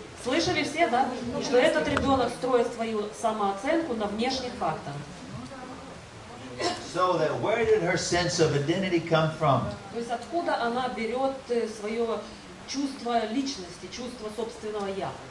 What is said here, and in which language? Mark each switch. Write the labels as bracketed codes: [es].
[ru] Слышали все, да, что этот ребенок строит свою самооценку на внешних факторах. [en] So that where did her sense of identity come from? [ru] То есть откуда она берет свое чувство личности, чувство собственного я?